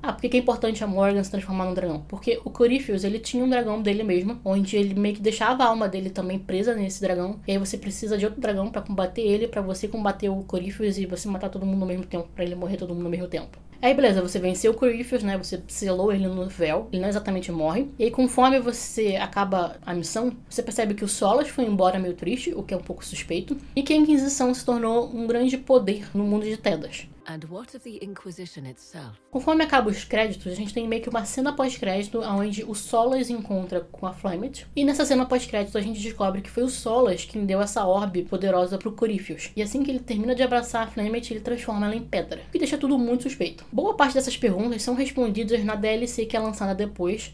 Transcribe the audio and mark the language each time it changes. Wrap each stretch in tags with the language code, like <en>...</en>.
<pt>Ah, por que é importante a Morgan se transformar num dragão? Porque o Corypheus, ele tinha um dragão dele mesmo, onde ele meio que deixava a alma dele também presa nesse dragão, e aí você precisa de outro dragão pra combater ele, pra você combater o Corypheus e você matar todo mundo ao mesmo tempo, pra ele morrer todo mundo ao mesmo tempo. Aí, beleza, você venceu o Corypheus, né? Você selou ele no véu. Ele não exatamente morre. E aí, conforme você acaba a missão, você percebe que o Solas foi embora meio triste, o que é um pouco suspeito. E que a Inquisição se tornou um grande poder no mundo de Tedas.</pt> <en>And what of the Inquisition itself?</en> <pt>Conforme acaba os créditos, a gente tem meio que uma cena pós-crédito onde o Solas encontra com a Flamet. E nessa cena pós-crédito, a gente descobre que foi o Solas quem deu essa orbe poderosa pro Corypheus. E assim que ele termina de abraçar a Flamet, ele transforma ela em pedra. O que deixa tudo muito suspeito. Boa parte dessas perguntas são respondidas na DLC que é lançada depois.</pt>